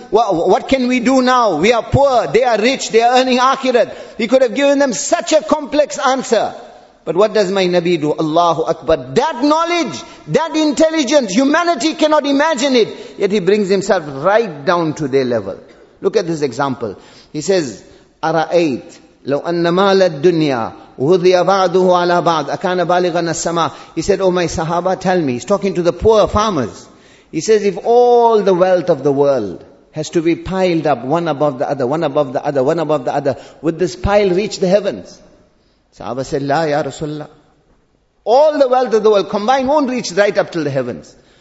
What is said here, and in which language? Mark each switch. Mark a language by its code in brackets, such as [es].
[en] What can we do now? We are poor. They are rich. They are earning akhirat. He could have given them such a complex answer. But what does my Nabi do? Allahu Akbar. That knowledge, that intelligence, humanity cannot imagine it. Yet he brings himself right down to their level. Look at this example. He says, [ar] Ara'ayt لو أن مال الدنيا وضع بعضه على بعض أكان بالغنا السماء. [en] He said, oh my Sahaba, tell me. He's talking to the poor farmers. He says, if all the wealth of the world has to be piled up one above the other, one above the other, one above the other, would this pile reach the heavens? Sahaba said, [ar] La ya Rasulullah. [en] All the wealth of the world combined won't reach right up till the heavens.